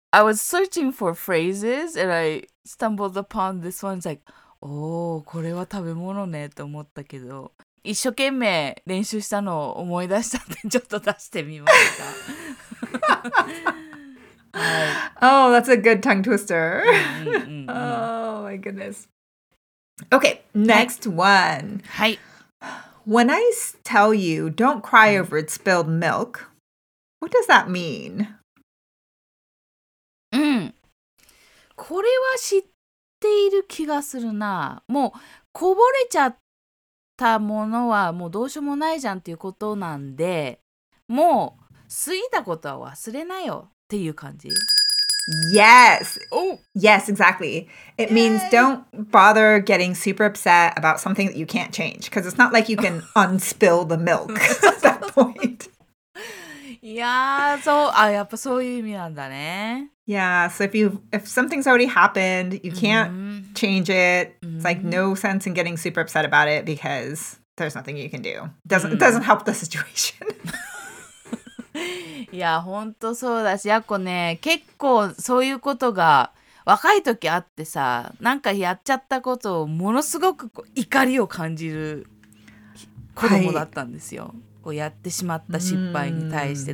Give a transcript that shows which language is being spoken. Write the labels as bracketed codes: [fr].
[en] I was searching for phrases and I stumbled upon this one. It's like, oh, [ja] これは食べ物ねと思ったけど。一生懸命練習したのを思い出したんで、ちょっと出してみました。 [en] Oh, that's a good tongue twister. Oh, my goodness. Okay, next one. [ja] はい。 [en] When I tell you, don't cry over spilled milk, what does that mean? [ja] これは知っている気がするな。もうこぼれちゃったたものはもうどうしようもないじゃんっていうことなんで、もう過ぎたことは忘れないよっていう感じ。 [en] Yes. Yes, exactly. It means don't bother getting super upset about something that you can't change, because it's not like you can unspill the milk at that point. [ja] Yeah, so, ah, やっぱそういう意味なんだね。 [en] Yeah, so if something's already happened, you can't change it. It's like no sense in getting super upset about it because there's nothing you can do. It doesn't help the situation. [ja] いや、ほんとそうだし、やっこね、結構そういうことが若い時あってさ、なんかやっちゃったことをものすごく怒りを感じる子供だったんですよ、はい、こうやってしまった失敗に対して。